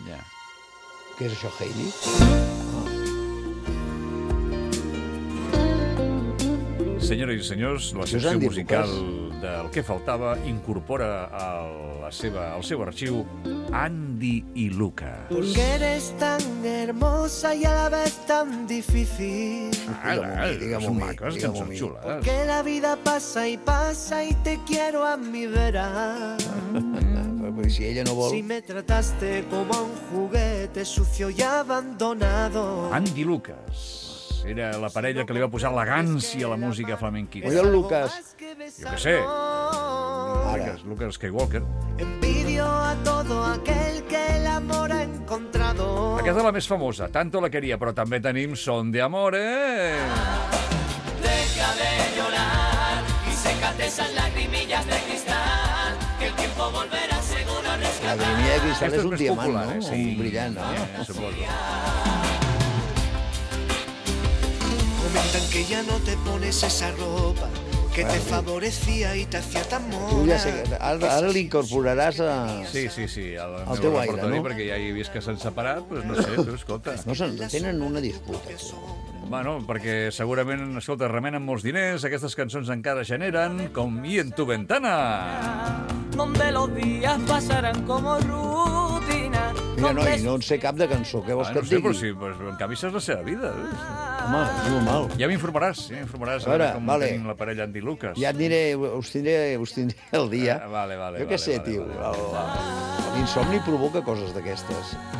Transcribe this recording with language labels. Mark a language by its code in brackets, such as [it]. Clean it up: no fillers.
[ca] Ja. Yeah. Què és això, Heidi? Senyores i senyors, la secció musical del Què faltava incorpora al seu arxiu Andy i Lucas. [es] Porque eres tan hermosa y a la vez tan difícil. [ca] Digue-m'ho a mi. Maques, que són xules. [es] Porque la vida pasa y pasa y te quiero a mi vera. [ca] Si ella no vol... [es] Si me trataste como un juguete sucio y abandonado. [ca] Andy Lucas. era la parella que li va posar elegància a la música flamenquina. [es] Oye, el Lucas. [ca] Jo què sé. Lucas Skywalker. [es] Envidio a todo aquel que el amor ha encontrado. [ca] Aquesta és la més famosa. Tanto la quería, però també tenim Son de amor, eh? [es] Deja de llorar y sécate esas lagrimillas de cristal, que el tiempo volverá. [ca] La grimilla de cristal és un diamant, popular, no? Sí. Un brillant, no? Suposo. Comentan que ya no te pones esa ropa que te favorecía y te hacía tan mona. Tu ja sé, ara l'incorporaràs a... Sí, sí, sí, al teu aire, no? Perquè ja he vist que s'han separat, doncs no sé, tu, escolta. No, tenen una disputa, tu. Bueno, perquè segurament, escolta, remenen molts diners, aquestes cançons encara generen com I [es] en tu ventana. Donde los días pasarán como rutina. [ca] Mira, noi, no en sé cap de cançó, què vols que et digui? No sé, però sí, però en canvi saps la seva vida. Home, és normal. Ja m'informaràs, ja m'informaràs a veure com tenim la parella Andy Lucas. Ja et diré, us tindré el dia. Vale, vale. Jo què sé, tio. L'insomni provoca coses d'aquestes.